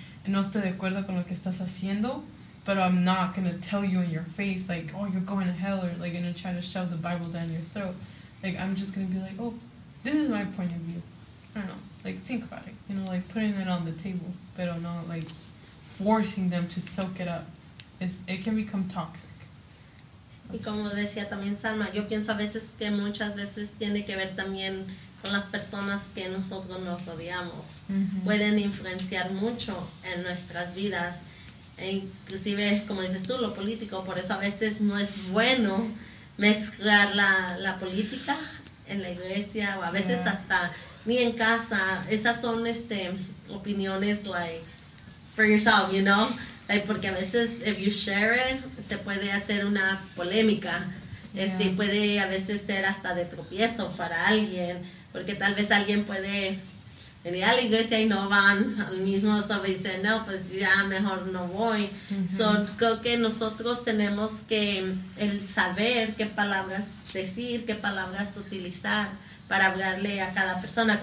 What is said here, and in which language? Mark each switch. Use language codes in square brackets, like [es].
[es] No estoy de acuerdo con lo que estás haciendo, [en] but I'm not going to tell you in your face, like, oh, you're going to hell, or, like, going to try to shove the Bible down your throat. Like, I'm just going to be like, oh, this is my point of view. I don't know. Like, think about it. You know, like, putting it on the table, pero not, like, forcing them to soak it up. It can become toxic. [es] Y como decía también Salma, yo pienso a veces que muchas veces tiene que ver también con las personas que nosotros nos rodeamos. Mm-hmm. Pueden influenciar mucho en nuestras vidas, e inclusive, como dices tú, lo político. Por eso a veces no es bueno mezclar la política en la iglesia, o a veces hasta ni en casa. Esas son opiniones, [en] like, for yourself, you know? [es] Porque a veces, [en] if you share it, [es] se puede hacer una polémica. Puede a veces ser hasta de tropiezo para alguien. Porque tal vez alguien puede venir a la iglesia y no van al mismo, sabe, y dicen, no, pues ya mejor no voy. Mm-hmm. So, creo que nosotros tenemos que el saber qué palabras decir, qué palabras utilizar para hablarle a cada persona.